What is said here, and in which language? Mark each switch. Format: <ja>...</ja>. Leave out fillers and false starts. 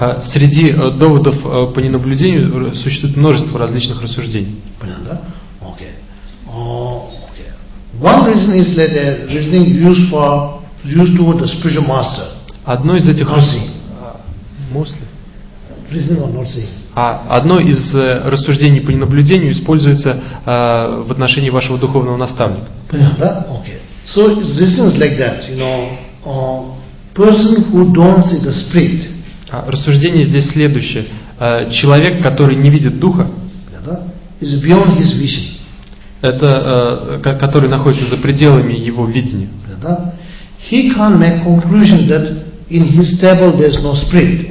<ru>Среди доводов по ненаблюдению существует множество различных рассуждений. Понятно, да? Okay.</ru> <en>One reason is that the reasoning used toward the spiritual master.</en> <ru>Одно из этих одно из рассуждений по ненаблюдению используется в отношении вашего духовного наставника. Понятно, да? Okay.</ru> <en>So reasons like that, you know, person who don't see the spirit.</en> <ru>Рассуждение здесь следующее. Человек, который не видит Духа,</ru> <en>is beyond his vision.</en> <ru>Это который находится за пределами его видения.</ru> <en>He can't make conclusion that in his table there's no spirit.</en>